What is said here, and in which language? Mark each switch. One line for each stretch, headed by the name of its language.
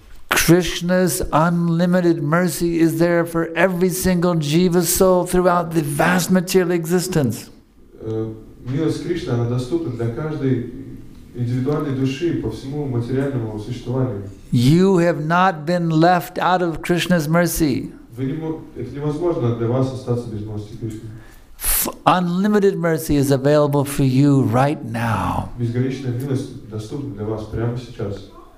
English: Krishna's unlimited mercy is there for every single jiva soul throughout the vast material existence.
Russian: Милость Кришны, она доступна для каждой индивидуальной души по всему материальному существованию.
English: You have not been left out of Krishna's mercy.
Russian: Это невозможно для вас остаться без милости Кришны.
English: Unlimited mercy is available for you right now.
Russian: Безграничная милость доступна для вас прямо сейчас.